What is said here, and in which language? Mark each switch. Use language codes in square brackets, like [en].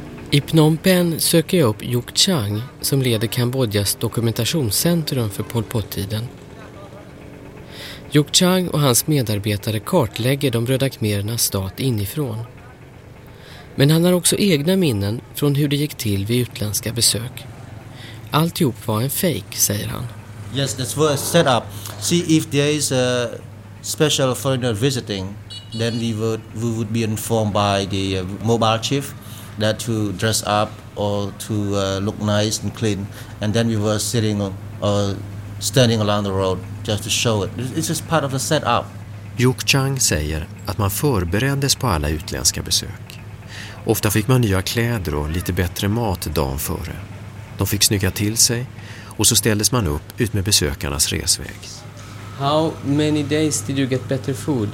[sv] I Phnom Penh söker jag upp Yuk Chang som leder Kambodjas dokumentationscentrum för Pol Pot-tiden. Yuk Chang och hans medarbetare kartlägger de röda khmerernas stat inifrån. Men han har också egna minnen från hur det gick till vid utländska besök. Alltihop var en fake, säger han. [en] Yes, that's what set up. See if there is a special foreigner visiting, then we would be informed by the mobile chief that to dress up or to look nice and clean, and then we were sitting or standing along the road just to show it. It's just part of the setup. [sv] Yuk Chang säger att man förbereddes på alla utländska besök. Ofta fick man nya kläder och lite bättre mat dagen före. De fick snygga till sig och så ställdes man upp ut med besökarnas resväg. [en] How many days did you get better food?